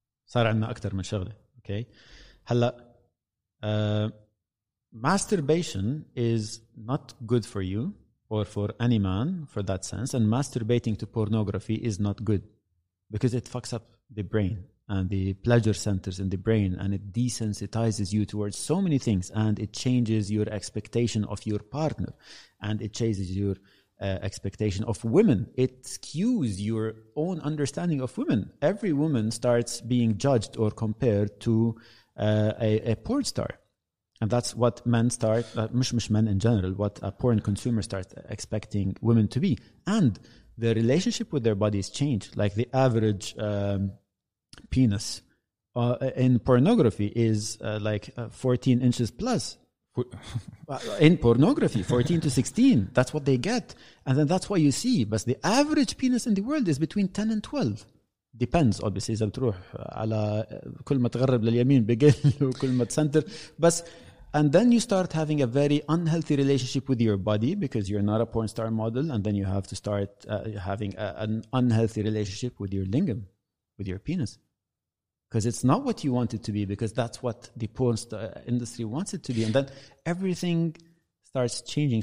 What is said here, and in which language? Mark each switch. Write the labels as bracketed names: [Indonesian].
[Arabic] صار عنا أكتر من شغلة, okay? [English] Hala, masturbation is not good for you or for any man for that sense. And masturbating to pornography is not good because it fucks up the brain and the pleasure centers in the brain, and it desensitizes you towards so many things, and it changes your expectation of your partner, and it changes your expectation of women. It skews your own understanding of women. Every woman starts being judged or compared to a porn star. And that's what men start, men in general, what a porn consumer starts expecting women to be. And their relationship with their bodies change. Like the average penis in pornography is like 14 inches plus. In pornography, 14 to 16, that's what they get. And then that's what you see. But the average penis in the world is between 10 and 12. Depends, obviously. [Arabic] إذا بتروح على كل ما تغرب لليمين بقل وكل ما تسنتر. بس... [English] And then you start having a very unhealthy relationship with your body because you're not a porn star model. And then you have to start having an unhealthy relationship with your lingam, with your penis. Because it's not what you want it to be, because that's what the porn star industry wants it to be. And then everything starts changing.